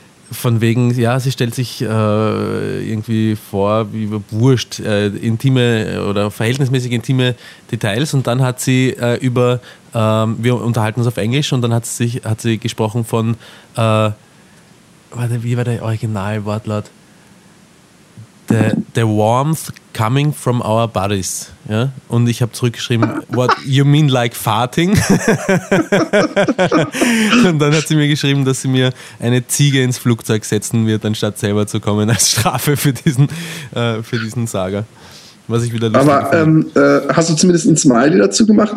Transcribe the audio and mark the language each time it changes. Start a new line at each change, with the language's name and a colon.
German: von wegen, ja, sie stellt sich irgendwie vor, wie wurscht, intime oder verhältnismäßig intime Details und dann hat sie wir unterhalten uns auf Englisch und dann hat sie gesprochen von, wie war der Originalwortlaut?
English: The warmth coming from our bodies.
German: Ja? Und ich habe zurückgeschrieben,
English: what you mean like farting?
German: Und dann hat sie mir geschrieben, dass sie mir eine Ziege ins Flugzeug setzen wird, anstatt selber zu kommen, als Strafe für diesen Saga. Was ich wieder lustig finde. Aber hast du zumindest ein Smiley dazu gemacht?